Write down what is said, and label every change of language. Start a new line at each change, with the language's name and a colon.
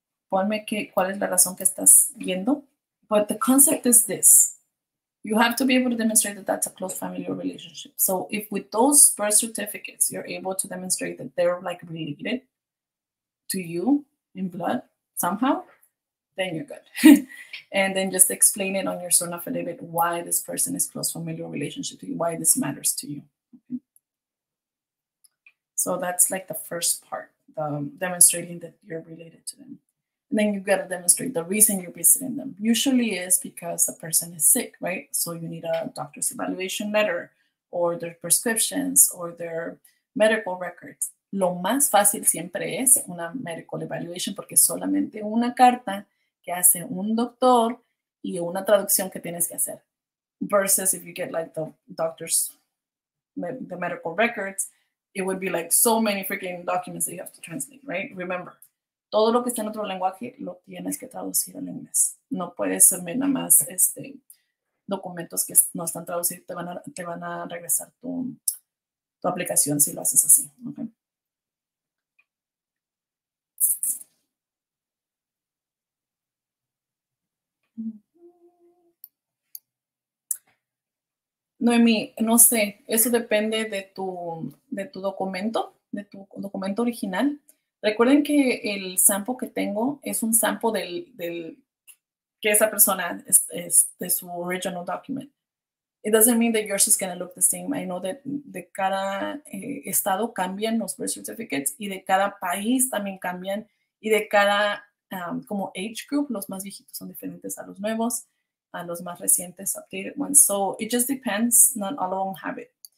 Spanish: Ponme que, ¿cuál es la razón que estás viendo?
English: But the concept is this. You have to be able to demonstrate that that's a close family relationship. So if with those birth certificates, you're able to demonstrate that they're like related to you in blood, somehow, then you're good. And then just explain it on your sworn affidavit why this person is close familial relationship to you, why this matters to you. So that's like the first part, the demonstrating that you're related to them. And then you've got to demonstrate the reason you're visiting them. Usually is because the person is sick, right? So you need a doctor's evaluation letter or their prescriptions or their medical records.
Spanish: Lo más fácil siempre es una
English: medical evaluation
Spanish: porque solamente una carta que hace un doctor y una traducción que tienes que hacer.
English: Versus if you get like the doctor's, the medical records, it would be like so many freaking documents that you have to translate, right? Remember,
Spanish: todo lo que está en otro lenguaje lo tienes que traducir al inglés. No puedes ser nada más documentos que no están traducidos, te van a regresar tu aplicación si lo haces así, okay? Noemí, no sé, eso depende de tu documento original. Recuerden que el sample que tengo es un sample del que esa persona es de su
English: original document. It doesn't mean that yours is going to look the same. I know that
Spanish: de cada estado cambian los
English: birth certificates
Spanish: y de cada país también cambian y de cada como
English: age group,
Spanish: los más viejitos son diferentes a los nuevos.
English: And
Spanish: los más recientes
English: updated ones. So it just depends, not all of them have it.